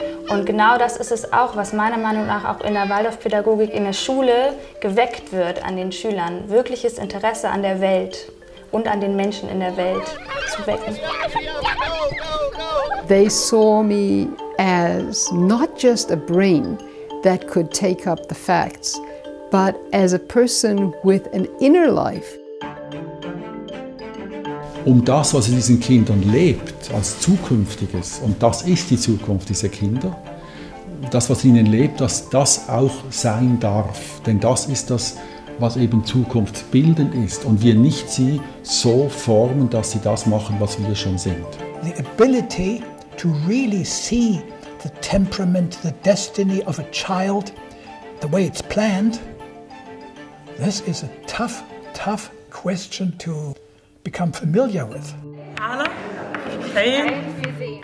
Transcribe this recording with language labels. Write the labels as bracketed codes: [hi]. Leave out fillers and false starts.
[de] Und genau das ist es auch, was meiner Meinung nach auch in der Waldorfpädagogik in der Schule geweckt wird an den Schülern, wirkliches Interesse an der Welt und an den Menschen in der Welt zu wecken. [en] They saw me as not just a brain that could take up the facts, but as a person with an inner life. [de] Um das, was in diesen Kindern lebt, als Zukünftiges, und das ist die Zukunft dieser Kinder, das, was in ihnen lebt, dass das auch sein darf. Denn das ist das, was eben zukunftsbildend ist und wir nicht sie so formen, dass sie das machen, was wir schon sind. [en] The ability to really see the temperament, the destiny of a child, the way it's planned, this is a tough, tough question to become familiar with. Anna, hey.